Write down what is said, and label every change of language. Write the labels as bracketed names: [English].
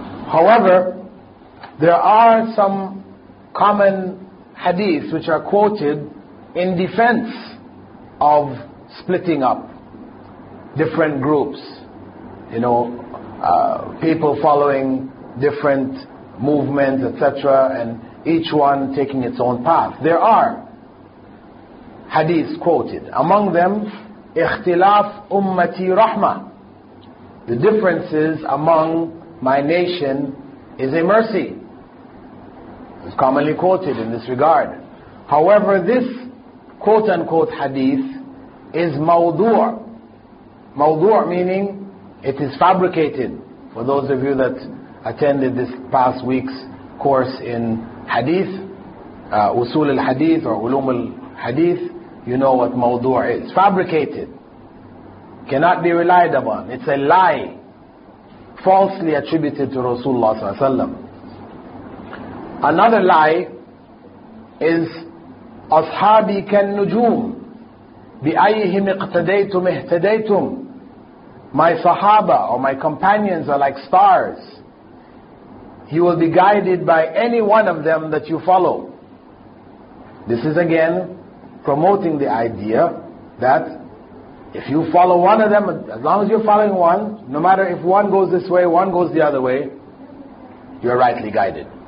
[English] However, there are some common hadiths which are quoted in defense of splitting up different groups, you know, people following different movements, etc., and each one taking its own path. There are hadiths quoted. Among them, [Arabic] اختلاف أمتي رحمة. [English] The differences among my nation is a mercy. It's commonly quoted in this regard. However, this quote-unquote hadith is mawdu'. Mawdu' meaning it is fabricated. For those of you that attended this past week's course in hadith, usul al-hadith or ulum al-hadith, you know what mawdu' is. Fabricated. Cannot be relied upon. It's a lie. Falsely attributed to Rasulullah. Another lie is [Arabic] أصحابي كالنجوم بأيهم اقتديتم اهتديتم. [English] My Sahaba or my companions are like stars. You will be guided by any one of them that you follow. This is again promoting the idea that if you follow one of them, as long as you're following one, no matter if one goes this way, one goes the other way, you're rightly guided.